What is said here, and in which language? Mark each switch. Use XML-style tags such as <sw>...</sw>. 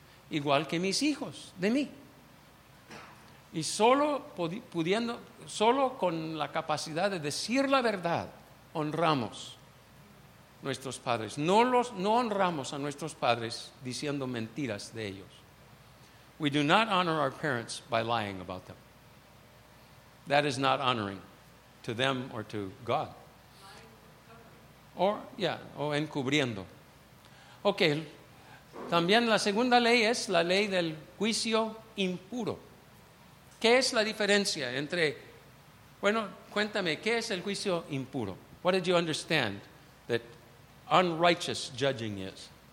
<es>Igual que mis hijos, de mí. Y solo con la capacidad de decir la verdad, honramos a nuestros padres. No honramos a nuestros padres diciendo mentiras de ellos.</es> <en>We do not honor our parents by lying about them. That is not honoring to them or to God.</en> <es>Or encubriendo. Okay, También la segunda ley es la ley del juicio impuro. ¿Qué es la diferencia entre, bueno, cuéntame, ¿qué es el juicio impuro?</es> <en>What did you understand that unrighteous judging is?</en>